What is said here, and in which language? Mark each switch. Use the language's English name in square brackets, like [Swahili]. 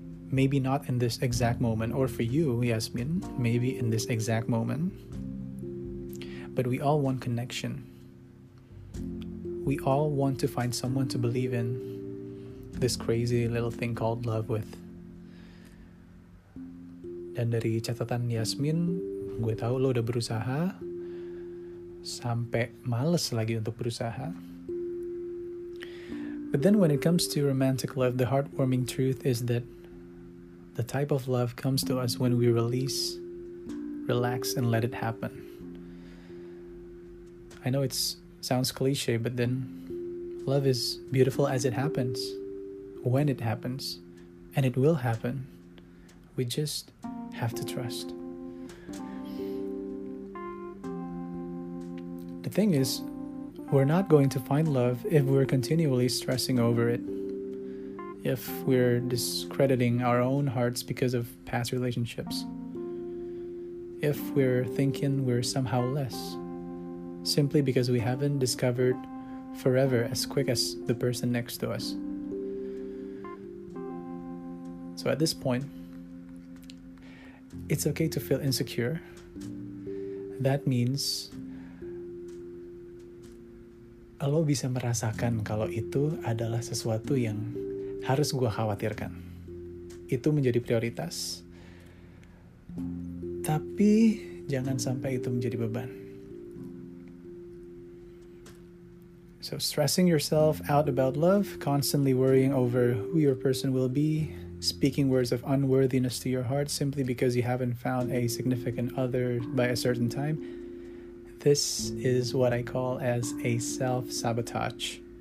[English] Maybe not in this exact moment, or for you, Yasmin, maybe in this exact moment. But we all want connection. We all want to find someone to believe in this crazy little thing called love with. [Indonesian] Dan dari catatan Yasmin, gue tahu lo udah berusaha, sampai males lagi untuk berusaha. [English] But then when it comes to romantic love, the heartwarming truth is that the type of love comes to us when we release, relax, and let it happen. I know it sounds cliche, but then love is beautiful as it happens, when it happens, and it will happen. We just have to trust. The thing is, we're not going to find love if we're continually stressing over it. If we're discrediting our own hearts because of past relationships. If we're thinking we're somehow less, simply because we haven't discovered forever as quick as the person next to us. So at this point, it's okay to feel insecure. That means [Indonesian] lo bisa merasakan kalau itu adalah sesuatu yang harus gue khawatirkan. Itu menjadi prioritas. Tapi jangan sampai itu menjadi beban. [English] So stressing yourself out about love, constantly worrying over who your person will be, speaking words of unworthiness to your heart simply because you haven't found a significant other by a certain time, this is what I call as a self-sabotage.